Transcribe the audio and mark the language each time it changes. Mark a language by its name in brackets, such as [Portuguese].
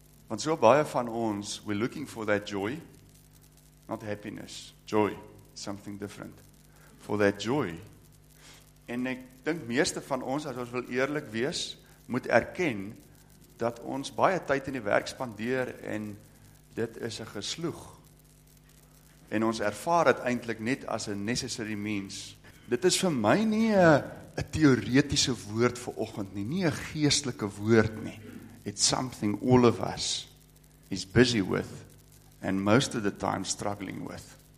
[Afrikaans] Want so baie van ons, [English] we're looking for that joy, not happiness, joy, something different. For that joy. [Afrikaans] En ek dink meeste van ons, as ons wil eerlik wees, moet erken dat ons baie tyd in die werk spandeer en dit is 'n gesloeg. En ons ervaar dit eintlik net as 'n [English] necessary means. [Afrikaans] Dit is vir my nie 'n teoretiese woord vir oggend nie, nie 'n geestelike woord nie. [English] It's something all of us he's busy with and most of the time struggling with.